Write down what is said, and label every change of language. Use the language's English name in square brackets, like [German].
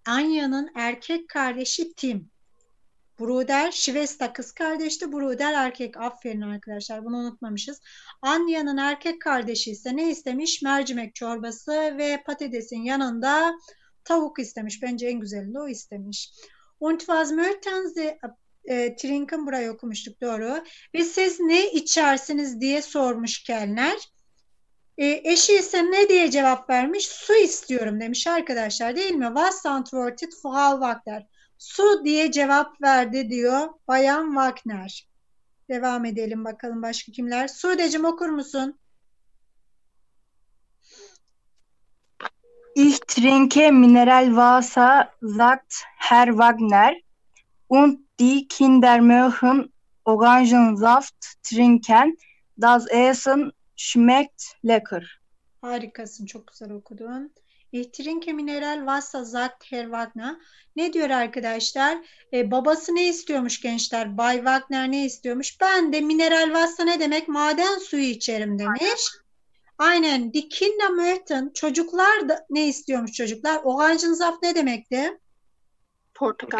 [Turkish] Anya'nın erkek kardeşi Tim. Bruder, Shvesta kız kardeşti. Bruder erkek. Aferin arkadaşlar. Bunu unutmamışız. Anya'nın erkek kardeşi ise ne istemiş? Mercimek çorbası ve patatesin yanında tavuk istemiş. Bence en güzelini o istemiş. [German] Und was möchten Sie trinken? [Turkish] Burayı okumuştuk. Doğru. Ve siz ne içersiniz diye sormuş kelner. Eşi ise ne diye cevap vermiş? Su istiyorum demiş arkadaşlar, değil mi? [German] Was antwortet Frau Wagner? [Turkish] Su diye cevap verdi diyor Bayan Wagner. Devam edelim bakalım başka kimler? Su Sudeciğim okur musun? [German] Ich trinke Mineralwasser, sagt Herr Wagner. Und die Kinder mögen Orangensaft trinken. Das Essen schmeckt lecker. [Turkish] Harikasın, çok güzel okudun. [German] Ich trinke Mineralwasser, sagt Herr Wagner. [Turkish] Ne diyor arkadaşlar? Babası ne istiyormuş gençler? Bay Wagner ne istiyormuş? Ben de Mineralwasser ne demek? Maden suyu içerim demiş. Aynen. [German] Die Kinder möchten. [Turkish] Çocuklar da ne istiyormuş çocuklar? Orangensaft ne demekti? Portakal